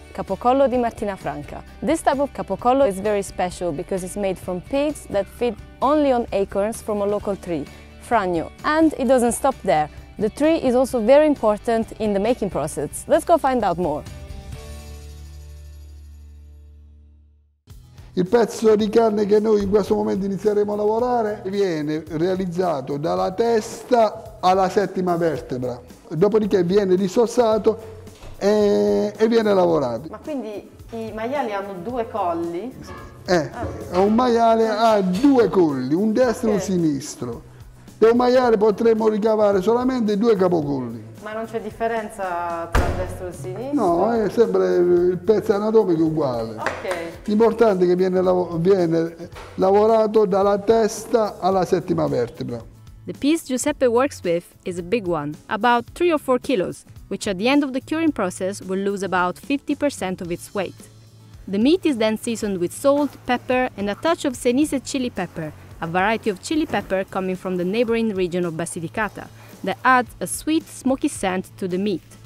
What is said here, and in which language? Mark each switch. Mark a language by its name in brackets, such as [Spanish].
[English] Capocollo di Martina Franca. This type of capocollo is very special because it's made from pigs that feed only on acorns from a local tree, Fragno. And it doesn't stop there. The tree is also very important in the making process. Let's go find out more. [Italian] Il pezzo di carne che noi in questo momento inizieremo a lavorare viene realizzato dalla testa alla settima vertebra. Dopodiché viene dissossato e viene lavorato. Ma quindi i maiali hanno due colli? Un maiale ha due colli, un destro e un sinistro. Da un maiale potremmo ricavare solamente due capocolli. Ma non c'è differenza tra il destro e il sinistro? No, è sempre il pezzo anatomico uguale. Ok. L'importante è che viene lavorato dalla testa alla settima vertebra. [English] The piece Giuseppe works with is a big one, about 3 or 4 kilos, which at the end of the curing process will lose about 50% of its weight. The meat is then seasoned with salt, pepper, and a touch of Senise chili pepper, a variety of chili pepper coming from the neighboring region of Basilicata, that adds a sweet, smoky scent to the meat.